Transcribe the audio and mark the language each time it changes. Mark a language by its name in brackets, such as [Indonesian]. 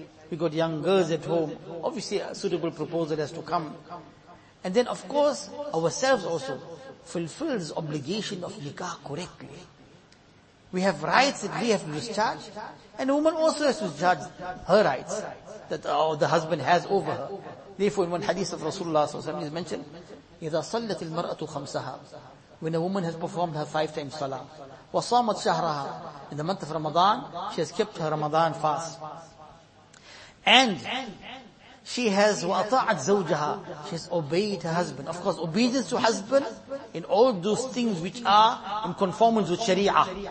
[English] We got young girls at home. Obviously, a suitable proposal has to come. And then, of course, ourselves also fulfills obligation of nikah correctly. We have rights that we have to discharge. And a woman also has to discharge her rights that the husband has over her. Therefore, in one hadith of Rasulullah s.a.w. is mentioned, [Arabic] إِذَا صَلَّتِ الْمَرْأَةُ خَمْسَهَا. [English] When a woman has performed her 5 times salah, [Arabic] وَصَامَتْ شَهْرَهَا. [English] In the month of Ramadan, she has kept her Ramadan fast. And she has [Arabic] وَأَطَاعَتْ زَوْجَهَا. [English] She has obeyed her husband. Of course, obedience to husband in all those things which are in conformance with Sharia.